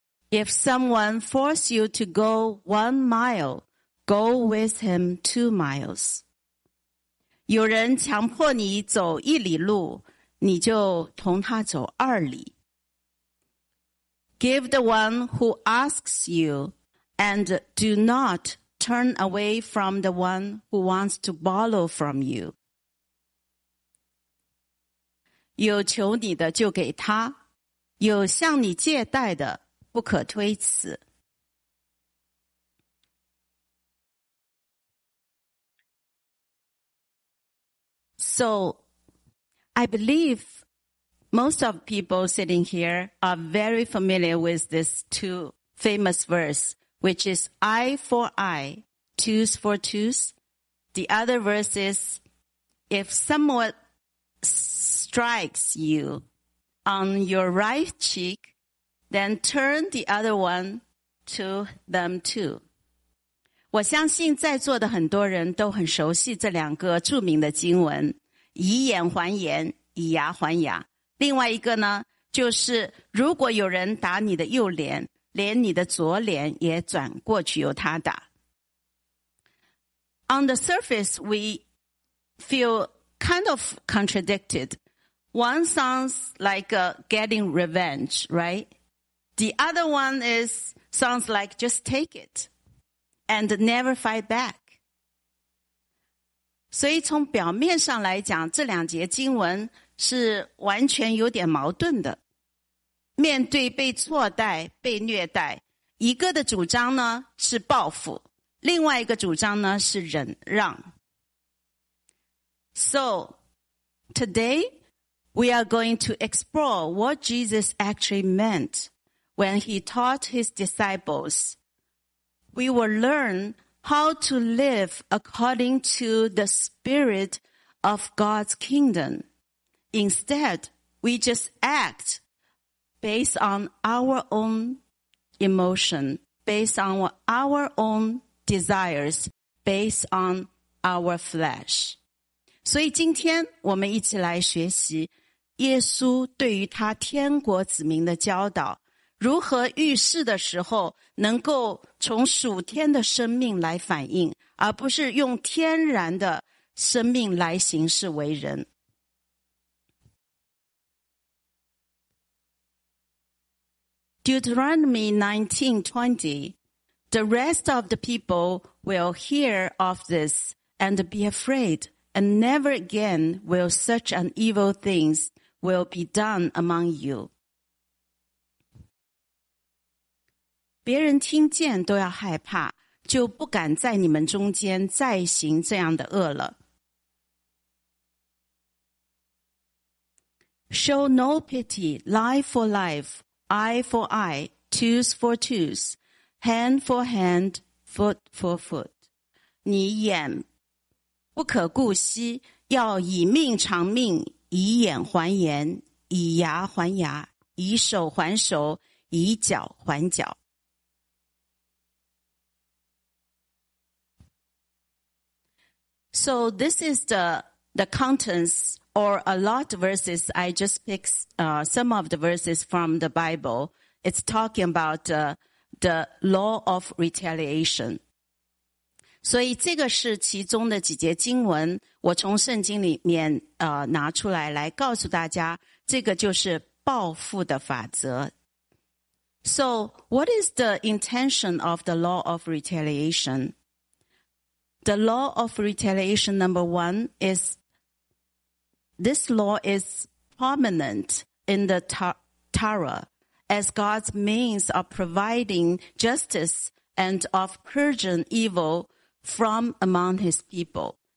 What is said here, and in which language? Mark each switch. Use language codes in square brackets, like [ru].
[en] If someone forces you to go 1 mile, go with him 2 miles. [zh] 有人强迫你走一里路，你就同他走二里。 [en] Give the one who asks you, and do not turn away from the one who wants to borrow from you. [zh] 有求你的就给他，有向你借贷的不可推辞。 [en] So, I believe most of people sitting here are very familiar with this two famous verse, which is eye for eye, tooth for tooth. The other verse is, if someone strikes you on your right cheek, then turn the other one to them too. [zh] 我相信在座的很多人都很熟悉这两个著名的经文。以眼还眼，以牙还牙。另外一个呢，就是如果有人打你的右脸，连你的左脸也转过去由他打。 [en] On the surface, we feel kind of contradicted. One sounds like getting revenge, right? The other one is sounds like just take it and never fight back. [zh] 所以从表面上来讲，这两节经文是完全有点矛盾的。面对被错待、被虐待，一个的主张呢是报复，另外一个主张呢是忍让。 [en] So, today, we are going to explore what Jesus actually meant when he taught his disciples. We will learnHow to live according to the spirit of God's kingdom. Instead, we just act based on our own emotion, based on our own desires, based on our flesh. [zh] 所以今天我们一起来学习耶稣对于他天国子民的教导。如何遇事的时候能够从属天的生命来反应，而不是用天然的生命来行事为人。 [en] Deuteronomy 19:20, the rest of the people will hear of this and be afraid, and never again will such an evil things will be done among you. [zh] 别人听见都要害怕，就不敢在你们中间再行这样的恶了。 [en] Show no pity, life for life, eye for eye, tooth for tooth, hand for hand, foot for foot. [zh] 你眼不可顾惜，要以命偿命，以眼还眼，以牙还牙，以手还手，以脚还脚。 [en] So this is the contents or a lot of verses. I just picked some of the verses from the Bible. It's talking about the law of retaliation. [zh] 所以这个是其中的几节经文，我从圣经里面拿出来来告诉大家，这个就是报复的法则。 [en] So what is the intention of the law of retaliation? The law of retaliation number one is, this law is prominent in the Torah as God's means of providing justice and of purging evil from among his people.